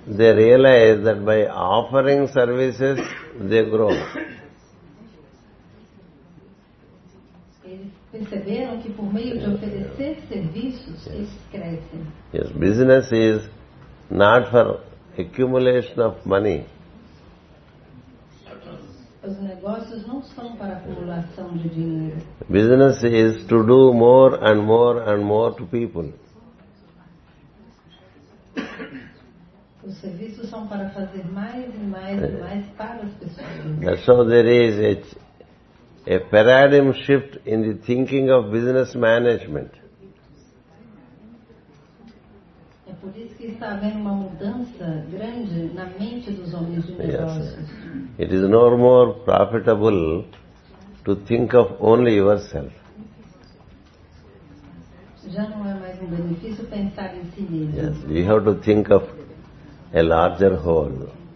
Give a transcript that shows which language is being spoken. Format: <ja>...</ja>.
<en>they realize that by offering services they grow.</en> <pt>Eles perceberam que por meio de oferecer serviços eles crescem.</pt> <en>Yes, business is not for accumulation of money.</en> <pt>Os negócios não são para acumulação de dinheiro.</pt> <en>Business is to do more and more and more to people.</en> <pt>Os serviços são para fazer mais e mais e mais para as pessoas.</pt> <en>That's how there is a paradigm shift in the thinking of business management.</en> <pt>É por isso que está havendo uma mudança grande na mente dos homens de negócios.</pt> <en>Yes. It is no more profitable to think of only yourself.</en> <pt>Já não é mais um benefício pensar em si mesmo.</pt> <en>Yes, you have to think of a larger whole.</en>